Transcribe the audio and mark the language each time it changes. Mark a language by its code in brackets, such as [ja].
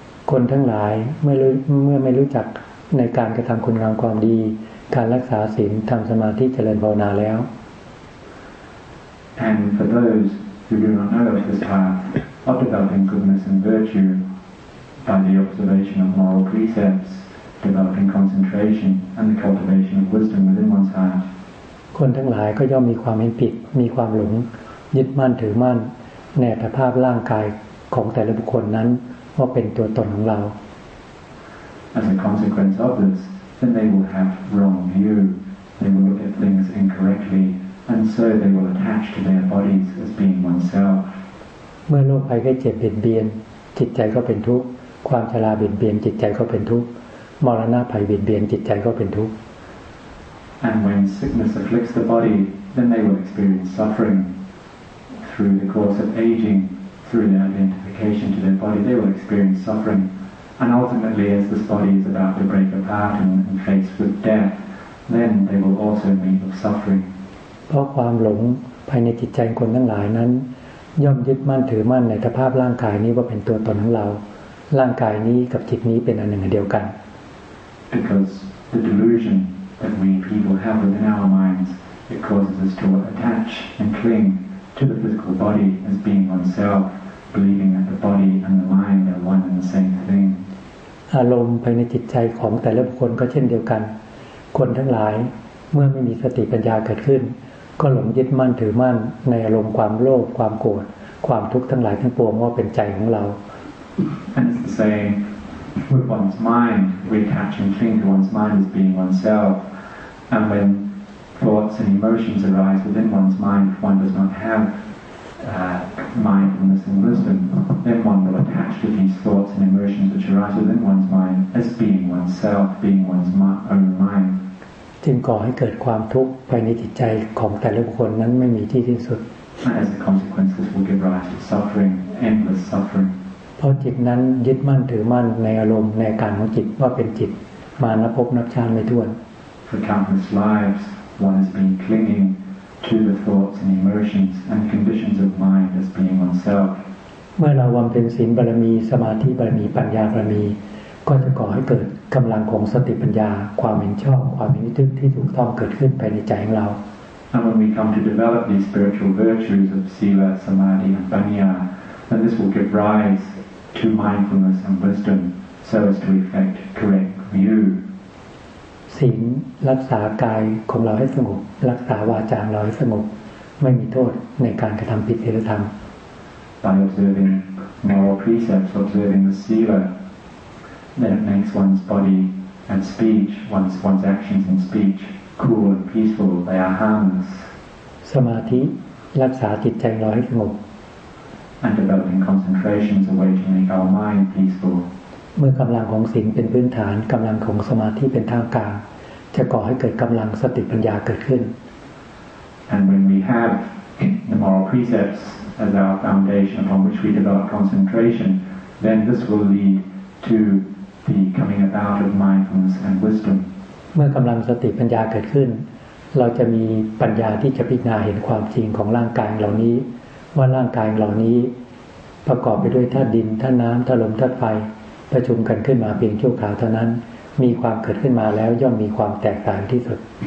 [th] คนทั้งหลายเมื่อไม่รู้จักในการกระทำคุณงามความดีการรักษาศีลทำสมาธิเจริญภาวนาแล้ว [en] And for those who do not know of this path of developing goodness and virtue by the observation of moral precepts, developing concentration and the cultivation of wisdom within one's heart. [th] คนทั้งหลายก็ย่อมมีความเห็นผิดมีความหลงยึดมั่นถือมั่นในอัตภาพร่างกายของแต่ละบุคคลนั้นว่าเป็นตัวตนของเรา [en] As a consequence of this then they will have wrong view they will look at things incorrectly and so they will attach to their bodies as being oneself [th] เมื่อโรคภัยไข้เจ็บเบียดเบียนจิตใจก็เป็นทุกข์ความชราเบียดเบียนจิตใจก็เป็นทุกข์มรณะภัยเบียดเบียนจิตใจก็เป็นทุกข์ [en] And when sickness afflicts the body then they will experience suffering through the course of agingthrough their identification to their body, they will experience suffering. And ultimately, as this body is about to break apart and face with death, then they will also meet with suffering. [th] เพราะความหลงภายในจิตใจคนทั้งหลายนั้นย่อมยึดมั่นถือมั่นในสภาพร่างกายนี้ว่าเป็นตัวตนของเราร่างกายนี้กับจิตนี้เป็นอันหนึ่งเดียวกัน [en] Because the delusion that we people have within our minds, it causes us to attach and clingTo the physical body as being oneself, believing that the body and the mind are one and the same thing. [th] อารมณ์ภายในจิตใจของแต่ละบุคคลก็เช่นเดียวกันคนทั้งหลายเมื่อไม่มีสติปัญญาเกิดขึ้นก็หลงยึดมั่นถือมั่นในอารมณ์ความโลภความโกรธความทุกข์ทั้งหลายทั้งปวงว่าเป็นใจของเรา [en] And it's the same with one's mind. We attach and cling to one's mind as being oneself, and whenThoughts and emotions arise within one's mind. If one does not have mindfulness and wisdom, then one will attach to these thoughts and emotions which arise within one's mind as being oneself, being one's own mind. [th] จึงก่อให้เกิดความทุกข์ภายในจิตใจของแต่ละบุคคลนั้นไม่มีที่สิ้นสุด [en] As a consequence, this will give rise to suffering, endless suffering. [th] เพราะจิตนั้นยึดมั่นถือมั่นในอารมณ์ในการของจิตว่าเป็นจิตมานับภพนับชาติไม่ถ้วน [en] For countless lives. One has been clinging to the thoughts and emotions and conditions of mind as being oneself. [th] เมื่อเราบำเพ็ญศีลบารมีสมาธิบารมีปัญญาบารมีก็จะก่อให้เกิดกำลังของสติปัญญาความเห็นชอบความเห็นถูกที่ถูกต้องเกิดขึ้นภายในใจของเรา [en] And when we come to develop these spiritual virtues of sila, samadhi, and panya, then this will give rise to mindfulness and wisdom, so as to effect correct view. [th] ศีลรักษากายของเราให้สงบรักษาวาจาเราให้สงบไม่มีโทษในการกระทำผิดศีลธรรม [en] By observing moral precepts, observing the sila, then it makes one's body and speech, one's actions and speech, cool and peaceful. They are harmless. [th] สมาธิรักษาจิตใจเราให้สงบ [en] And developing concentration is a way to make our mind peaceful. [th] เมื่อกำลังของศีลเป็นพื้นฐานกำลังของสมาธิเป็นทางการจะก่อให้เกิดกำลังสติปัญญาเกิดขึ้น [en] And when we have the moral precepts as our foundation upon which we develop concentration then this will lead to the coming about of mindfulness and wisdom [th] เมื่อกำลังสติปัญญาเกิดขึ้นเราจะมีปัญญาที่จะพิจารณาเห็นความจริงของร่างกายเหล่านี้ว่าร่างกายเหล่านี้ประกอบไปด้วยธาตุดินธาตุน้ำธาตุลมธาตุไฟประชุมกันขึ้นมาเพียงชั่วคราวเท่านั้นมีความเกิดขึ้นมาแล้วย่อมมีความแตกต่างที่สุด